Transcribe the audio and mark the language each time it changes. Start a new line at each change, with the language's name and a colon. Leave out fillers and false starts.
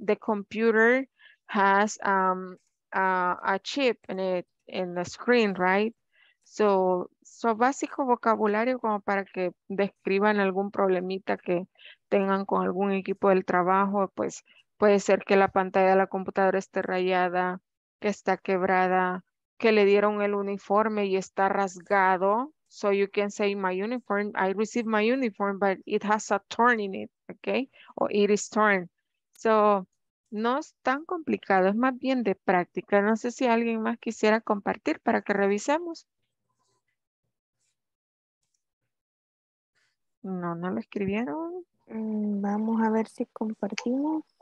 English: The computer has a chip in it, in the screen, right? So
Spanish: básico vocabulario como para que describan algún problemita que tengan con algún equipo del trabajo. Pues puede ser que la pantalla de la computadora esté rayada, que está quebrada, que le dieron el uniforme y está rasgado.
English: So you can say my uniform, I received my uniform, but it has a torn in it, okay?
Spanish: O
English: it is torn. So
Spanish: no es tan complicado, es más bien de práctica. No sé si alguien más quisiera compartir para que revisemos. No, no lo escribieron. Vamos a ver si compartimos.